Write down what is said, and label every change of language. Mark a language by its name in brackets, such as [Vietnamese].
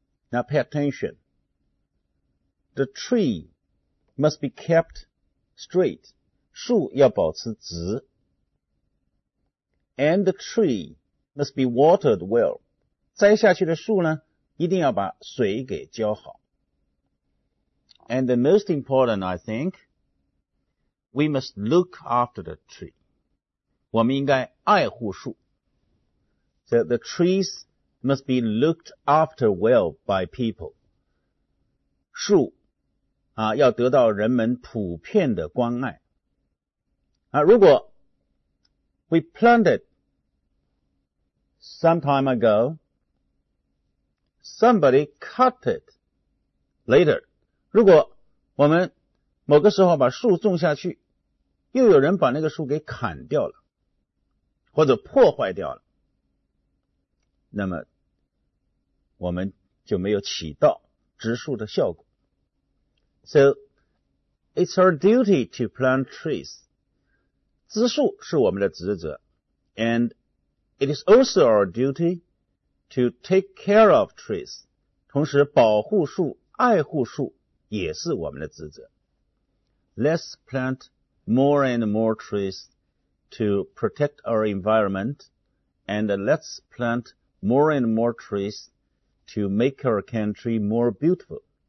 [English] Now pay attention. The tree must be kept straight. [Chinese] 树要保持直。 [English] And the tree must be watered well. [Chinese] 栽下去的树呢，一定要把水给浇好。 [English] And the most important, I think, we must look after the tree. [Chinese] 我们应该爱护树。 [English] So the trees must be looked after well by people. [Chinese] 树啊，要得到人们普遍的关爱。 [English] 啊， [Chinese] 如果 [English] we planted some time ago, somebody cut it later. [Chinese] 如果我们某个时候把树种下去，又有人把那个树给砍掉了。或者破坏掉了，那么我们就没有起到植树的效果。 [English] So, it's our duty to plant trees. [Chinese] 植树是我们的职责。 [English] And it is also our duty to take care of trees. [Chinese] 同时保护树、爱护树也是我们的职责。 [English] Let's plant more and more trees. To protect our environment, and let's plant more and more trees to make our country more beautiful.